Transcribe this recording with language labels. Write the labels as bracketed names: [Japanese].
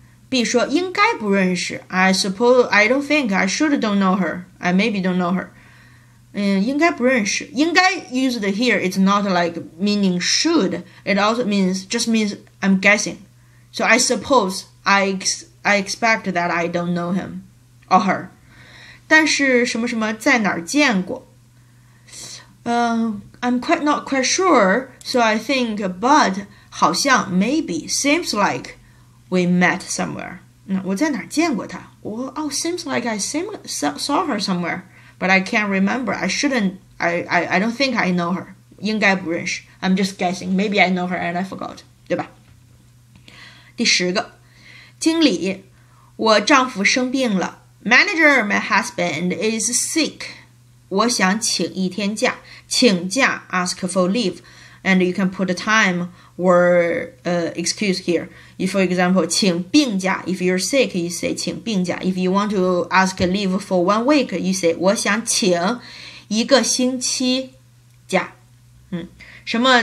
[Chinese] B 说应该不认识。 [English] I don't know her. I maybe don't know her. [Chinese] 应该不认识。 [English] 应该 used here, it's not like meaning should. It also means I'm guessing. So I suppose, I expect that I don't know him or her. [Chinese] 但是什么什么在哪儿见过？ [English] I'm not quite sure, so I think, but 好像 maybe, seems like we met somewhere. [Chinese] 我在哪儿见过他？ [English] Seems like I saw her somewhere, but I can't remember. I don't think I know her. [Chinese] 应该不认识。 [English] I'm just guessing. Maybe I know her and I forgot, [Chinese] 对吧？第十个，经理，我丈夫生病了。 [English] Manager, my husband is sick. [Chinese] 我想请一天假。 [English] 请假 ask for leave, and you can put a time or excuse here. If, for example, 请病假 if you're sick, you say 请病假。 If you want to ask leave for 1 week, you say [Chinese] 我想请一个星期假。什么？